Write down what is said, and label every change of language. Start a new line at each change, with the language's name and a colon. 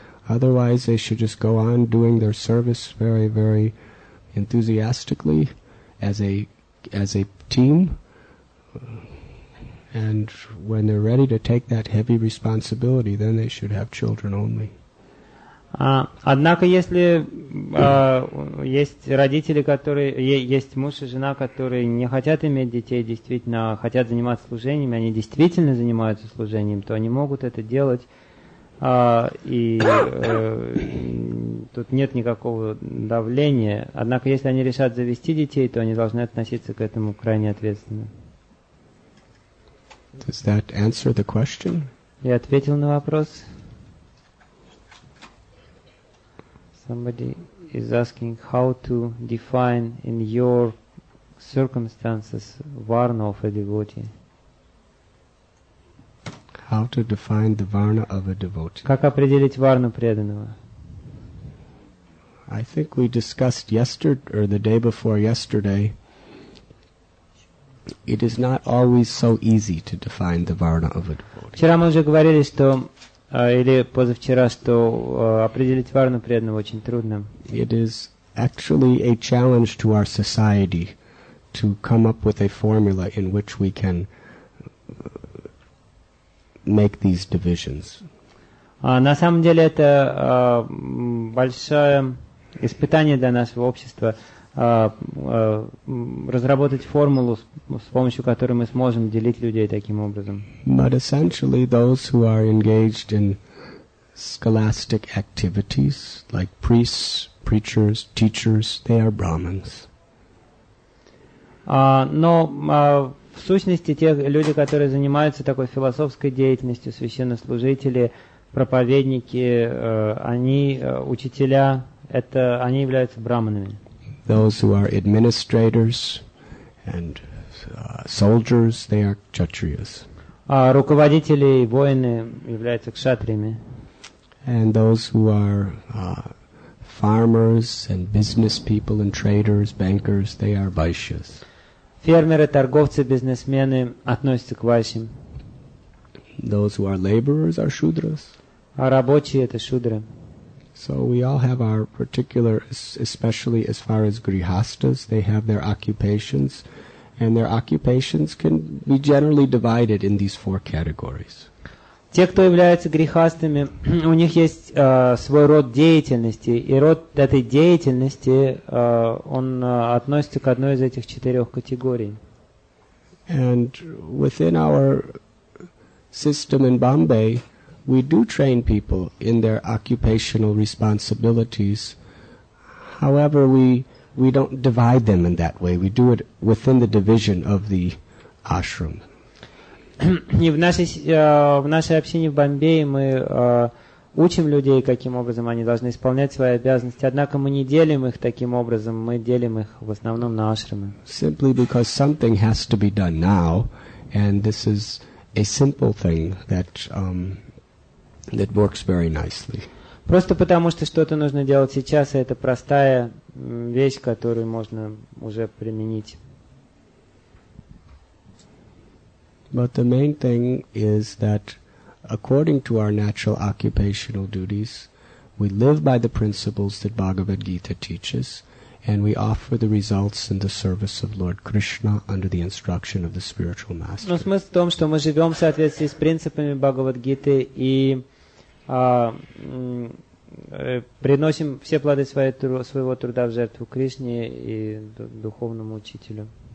English: Otherwise, they should just go on doing their service very, very enthusiastically as a team. And when they're ready to take that heavy responsibility, then they should have children only.
Russian: Однако, если есть родители, которые есть муж и жена, которые не хотят иметь детей, действительно хотят заниматься служением, они действительно занимаются служением, то они могут это делать, тут нет никакого давления. Однако, если они решат завести детей, то они должны относиться к этому крайне ответственно.
English: Does that answer the question?
Russian: Я ответил на вопрос.
English: Somebody is asking how to define in your circumstances varna of a devotee. How to define the varna of a devotee?
Russian: Как определить варну преданного?
English: I think we discussed yesterday or the day before yesterday. It is not always so easy to define the varna of a devotee.
Russian: Вчера мы уже говорили, что или позавчера, что определить варну преданного очень трудно.
English: It is actually a challenge to our society to come up with a formula in which we can make these divisions.
Russian: На самом деле это большое испытание для нашего общества. Разработать формулу, с помощью которой мы сможем делить людей таким образом.
English: But essentially, those who are engaged in scholastic activities, like priests, preachers, teachers, they are brahmins.
Russian: В сущности, те люди, которые занимаются такой философской деятельностью, священнослужители, проповедники, они учителя, это они являются брахманами.
English: Those who are administrators and soldiers, they are kshatriyas.
Russian: Руководители и воины являются кшатриями.
English: And those who are farmers and business people and traders, bankers, they are vaishyas.
Russian: Фермеры, торговцы, бизнесмены относятся к вайшьям.
English: Those who are laborers are shudras.
Russian: А рабочие это шудры.
English: So we all have our particular, especially as far as grihasthas, they have their occupations, and their occupations can be generally divided in these four categories.
Russian: Те, кто являются грихастами, у них есть свой род деятельности, и род этой деятельности, он относится к одной из этих четырех категорий.
English: And within our system in Bombay, we do train people in their occupational responsibilities. However, we don't divide them in that way. We do it within the division of the ashram.
Russian: В нашей общине в Бомбее мы учим людей, каким образом они должны исполнять свои обязанности. Однако мы не делим их таким образом. Мы делим их в основном на ашрамы.
English: Simply because something has to be done now, and this is a simple thing that that works very nicely.
Russian: Просто потому что что-то нужно делать сейчас, и это простая вещь, которую можно уже применить.
English: But the main thing is that according to our natural occupational duties, we live by the principles that Bhagavad Gita teaches, and we offer the results in the service of Lord Krishna under the instruction of the spiritual master.
Russian: Но смысл в том, что мы живем в соответствии с принципами Бхагавад Гиты и приносим все плоды своего труда в жертву Кришне и духовному учителю.